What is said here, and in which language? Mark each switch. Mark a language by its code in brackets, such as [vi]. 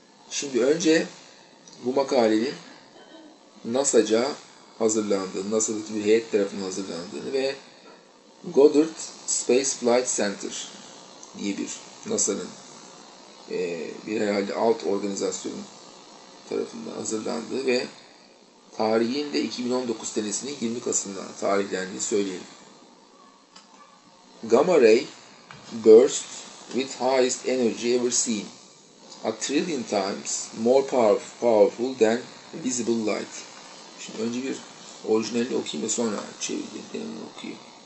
[tr] Şimdi önce bu makalenin NASA'ca hazırlandığını, NASA'daki bir heyet tarafından hazırlandığını ve Goddard Space Flight Center diye bir NASA'nın bir herhalde alt organizasyonun tarafından hazırlandığı ve tarihin de 2019 senesinin 20 Kasım'da tarihlendiği söyleyelim. [en] Gamma ray burst with highest energy ever seen. A trillion times more powerful than visible light. [tr] Şimdi önce bir orijinalini okuyayım ve sonra çevirdiklerini okuyayım.